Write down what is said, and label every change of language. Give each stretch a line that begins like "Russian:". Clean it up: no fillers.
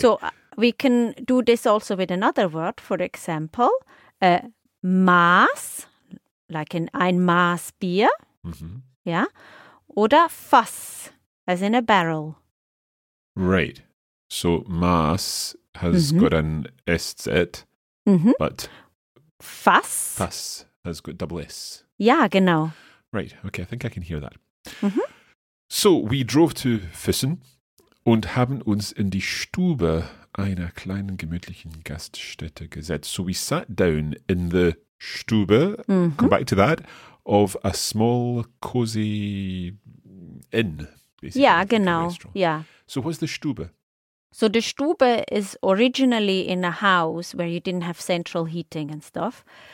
English: So we can do this also with another word, for example, Maß, like in ein Maß Bier, yeah,
German: oder Fass,
English: as in a barrel. Right, so Maß has got an SZ, but Fass. Has got double S. Yeah, genau. Right, okay, I think I can hear that. So, we drove to Füssen
German: und haben uns in die Stube einer kleinen gemütlichen Gaststätte gesetzt.
English: So, we sat down in the Stube, come back to that, of a small, cozy inn, basically. Yeah, genau, yeah. So, what's the Stube? So the Stube is originally in a house where you didn't have central heating and stuff.